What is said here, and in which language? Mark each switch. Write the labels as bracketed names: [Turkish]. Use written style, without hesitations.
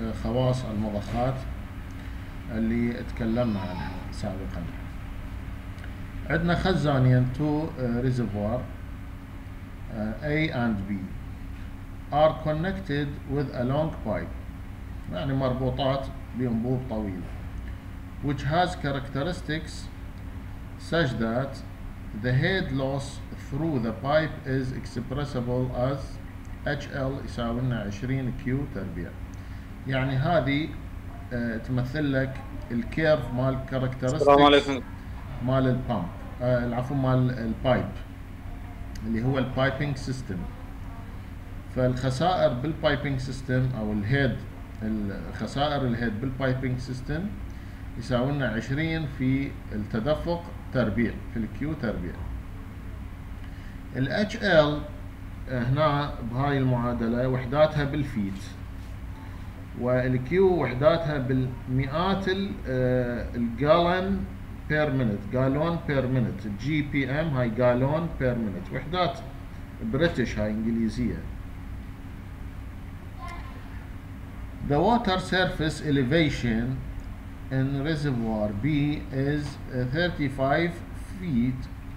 [Arabic] بخواص المضخات اللي تكلمنا عنها سابقا. عندنا خزانين، تو ريزرفوار [English] A and B are connected with a long pipe، [Arabic] يعني مربوطات بأنبوب طويل، [English] which has characteristics such that the head loss through the pipe is expressible as HL [Arabic] يساوي لنا 20 كيو تربيع. يعني هذه تمثل لك الكيرف مال كاركترستكس مال البامب، العفو مال البايب، اللي هو البايبنج سيستم. فالخسائر بالبايبنج سيستم او الهيد، الخسائر الهيد بالبايبنج سيستم يساوي لنا 20 في التدفق تربيع، في الكيو تربيع. الاتش ال هنا بهاي المعادلة وحداتها بالفيت، والكيو وحداتها بالمئات الجالون بير مينت، جالون بير مينت، جي بي ام هاي جالون بير مينت، وحدات بريتش هاي انجليزية. [English] The water surface elevation in reservoir B is 35 feet.